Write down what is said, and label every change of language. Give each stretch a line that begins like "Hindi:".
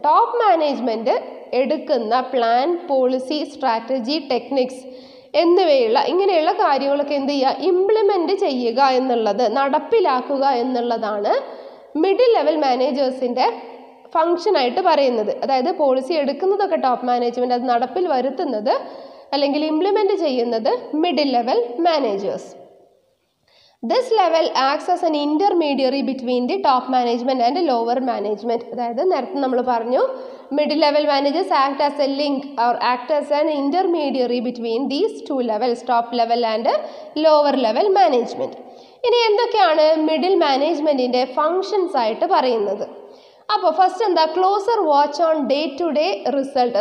Malayalam: Top management എടുക്കുന്ന plan, policy, strategy, techniques എന്നിവയുള്ള ഇങ്ങനെയുള്ള കാര്യങ്ങളൊക്കെ എന്ത് ചെയ്യുക, ഇംപ്ലിമെൻ്റ് ചെയ്യുക എന്നുള്ളത്, നടപ്പിലാക്കുക എന്നുള്ളതാണ് മിഡിൽ ലെവൽ മാനേജേഴ്സിൻ്റെ ഫങ്ഷനായിട്ട് പറയുന്നത്. അതായത് പോളിസി എടുക്കുന്നതൊക്കെ ടോപ്പ് മാനേജ്മെൻറ്റ്, അത് നടപ്പിൽ വരുത്തുന്നത് അല്ലെങ്കിൽ ഇംപ്ലിമെൻ്റ് ചെയ്യുന്നത് middle level managers.
English: This level acts as an intermediary between the top management and the lower management.
Malayalam: അതായത് നേരത്തെ നമ്മൾ പറഞ്ഞു
English: Middle level managers act as a link or act as an intermediary between these two levels, top level and lower level management.
Malayalam: ഇനി എന്തൊക്കെയാണ് middle മാനേജ്മെൻറ്റിൻ്റെ functions ആയിട്ട് പറയുന്നത്. അപ്പോൾ first എന്താ,
English: Closer watch on day to day result.